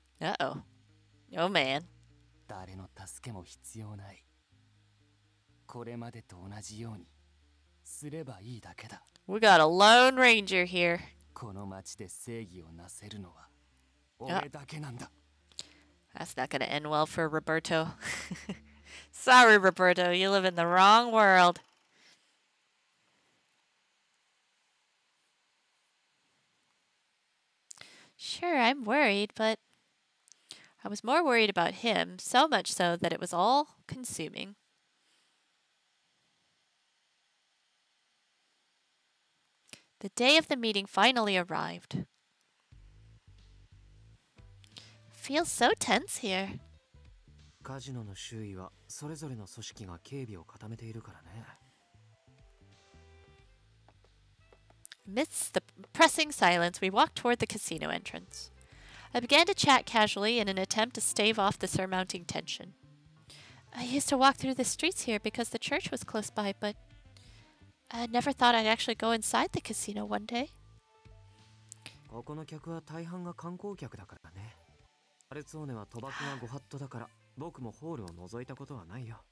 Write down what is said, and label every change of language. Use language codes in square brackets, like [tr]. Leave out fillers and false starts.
[en] Uh-oh. Oh man. [ja] 誰の助けも必要ない。これまでと同じように。すればいいだけだ。 [en] We got a lone ranger here. [ja] この町で正義をなせるのは俺だけなんだ。 [en] That's not gonna end well for Roberto. Sorry, Roberto, you live in the wrong world. Sure, I'm worried, but I was more worried about him, so much so that it was all consuming. The day of the meeting finally arrived. Feels so tense here. [ja] カジノの周囲はそれぞれの組織が警備を固めているからね。 [en] Amidst the pressing silence, we walked toward the casino entrance. I began to chat casually in an attempt to stave off the surmounting tension. I used to walk through the streets here because the church was close by, but... I never thought I'd actually go inside the casino one day. [ja] ここの客は大半が観光客だからね。ファルツォーネは賭博がご法度だから、僕もホールを覗いたことはないよ。